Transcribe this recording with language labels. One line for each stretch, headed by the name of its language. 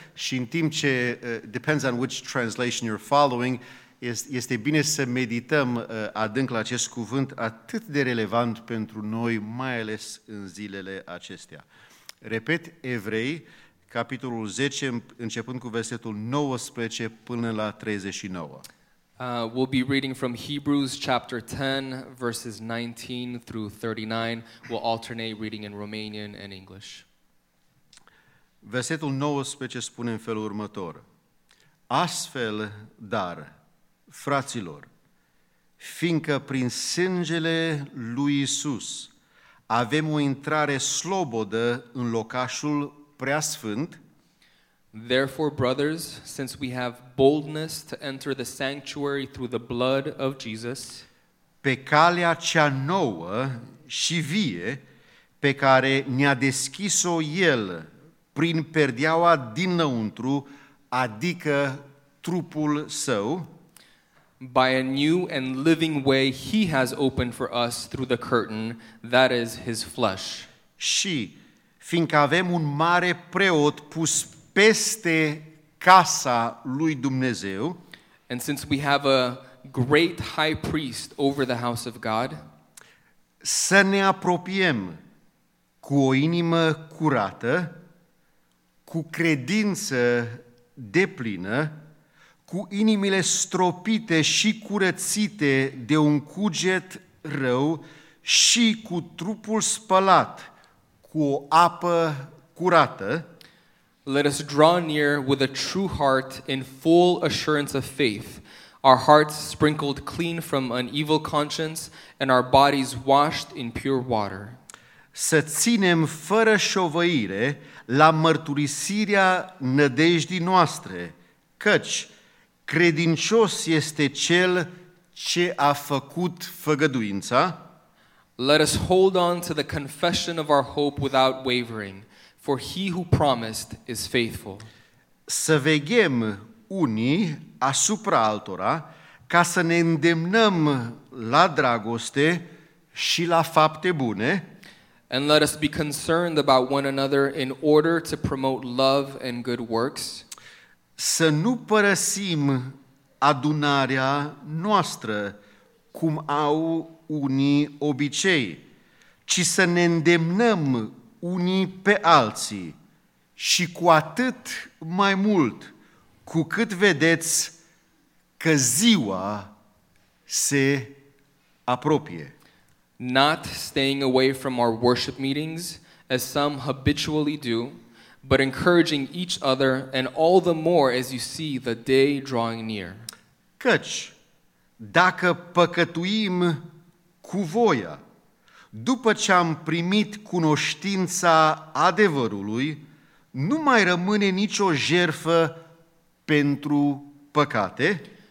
Romanian: Și în timp ce,
English: depends on which translation you're following,
Romanian: este bine să medităm adânc la acest cuvânt atât de relevant pentru noi, mai ales în zilele acestea. Repet, Evrei, capitolul 10, începând cu versetul 19 până la 39.
English: We'll be reading from Hebrews chapter 10, verses 19 through 39. We'll alternate reading in Romanian and English.
Romanian: Versetul 19 spune în felul următor. Astfel, dar, fraților, fiindcă prin sângele lui Iisus avem o intrare slobodă în locașul preasfânt,
English: therefore, brothers, since we have boldness to enter the sanctuary through the blood of Jesus,
Romanian: pe calea cea nouă și vie pe care ne-a deschis-o El prin perdeaua dinăuntru, adică trupul Său,
English: by a new and living way He has opened for us through the curtain, that is His flesh.
Romanian: Și, fiindcă avem un mare preot pus peste casa lui Dumnezeu,
English: and since we have a great high priest over the house of God,
Romanian: să ne apropiem cu o inimă curată, cu credință deplină, cu inimile stropite și curățite de un cuget rău și cu trupul spălat cu o apă curată.
English: Let us draw near with a true heart in full assurance of faith, our hearts sprinkled clean from an evil conscience and our bodies washed in pure water.
Romanian: Să ținem fără șovăire la mărturisirea nădejdii noastre, căci credincios este cel ce a făcut făgăduința.
English: Let us hold on to the confession of our hope without wavering, for he who promised is faithful.
Romanian: Să veghem unii asupra altora ca să ne îndemnăm la dragoste și la fapte bune.
English: And let us be concerned about one another in order to promote love and good works.
Romanian: Să nu părăsim adunarea noastră cum au unii obicei, ci să ne îndemnăm unii pe alții și cu atât mai mult cu cât vedeți că ziua se apropie.
English: Not staying away from our worship meetings as some habitually do, but encouraging each other and all the more as you see the day drawing near.
Romanian: Căci dacă păcătuim cu voia, după ce am primit cunoștința adevărului, nu mai rămâne nicio jertfă pentru păcate.